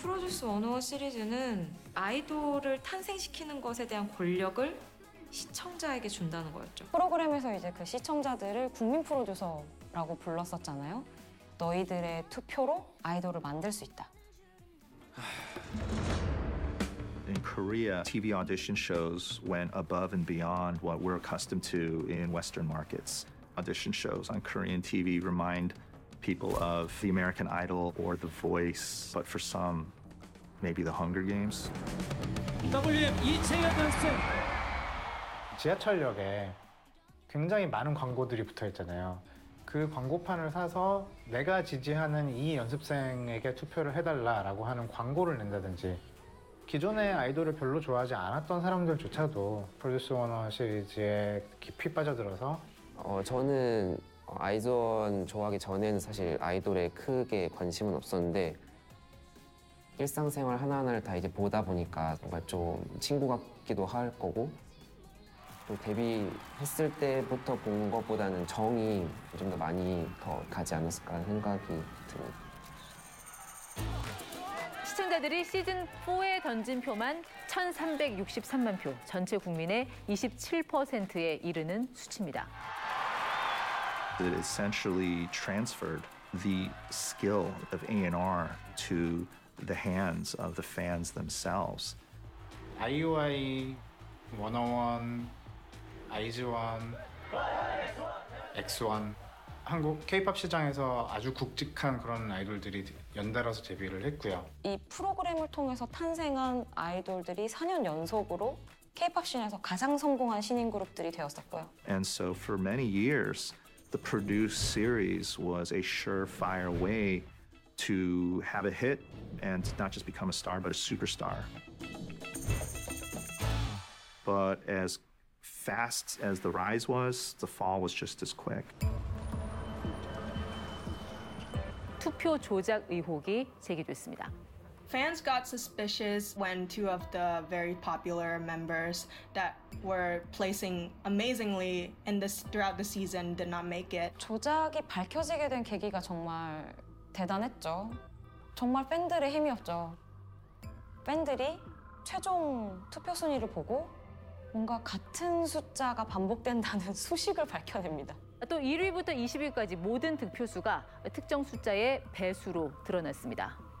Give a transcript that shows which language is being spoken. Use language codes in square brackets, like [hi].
[ko] 101 시리즈는 아이돌을 탄생시키는 것에 대한 권력을 시청자에게 준다는 거였죠. 프로그램에서 이제 그 시청자들을 국민 프로듀서라고 불렀었잖아요. 너희들의 투표로 아이돌을 만들 수 있다. [en] In Korea, TV audition shows went above and beyond what we're accustomed to in Western markets. Audition shows on Korean TV remind people of the American Idol or The Voice, but for some, maybe the Hunger Games. [ko] WM 이채연 연습생. 지하철역에 굉장히 많은 광고들이 붙어 있잖아요. 그 광고판을 사서 내가 지지하는 이 연습생에게 투표를 해달라라고 하는 광고를 낸다든지 기존의 아이돌을 별로 좋아하지 않았던 사람들조차도 프로듀스 101 시리즈에 깊이 빠져들어서 저는 아이즈원 좋아하기 전에는 사실 아이돌에 크게 관심은 없었는데 일상생활 하나하나를 다 이제 보다 보니까 뭔가 좀 친구 같기도 할 거고 또 데뷔했을 때부터 본 것보다는 정이 좀 더 많이 더 가지 않았을까 생각이 듭니다. 시청자들이 시즌4에 던진 표만 1363만 표, 전체 국민의 27%에 이르는 수치입니다. [en] It essentially transferred the skill of A&R to the hands of the fans themselves. [ko] IUI 101, IZ*ONE, X1 한국 K-POP 시장에서 아주 굵직한 그런 아이돌들이 연달아서 데뷔를 했고요. 이 프로그램을 통해서 탄생한 아이돌들이 4년 연속으로 K-POP 씬에서 가장 성공한 신인 그룹들이 되었었고요. [en] And so for many years, the Produce series was a surefire way to have a hit and not just become a star, but a superstar. But as fast as the rise was, the fall was just as quick. [ko] 투표 조작 의혹이 제기됐습니다. [en] Fans got suspicious when two of the very popular members that were placing amazingly in this throughout the season did not make it. [ko] 조작이 밝혀지게 된 계기가 정말 대단했죠. 정말 팬들의 힘이었죠. 팬들이 최종 투표 순위를 보고 뭔가 같은 숫자가 반복된다는 수식을 밝혀냅니다. 또 1위부터 20위까지 모든 득표수가 특정 숫자의 배수로 드러났습니다.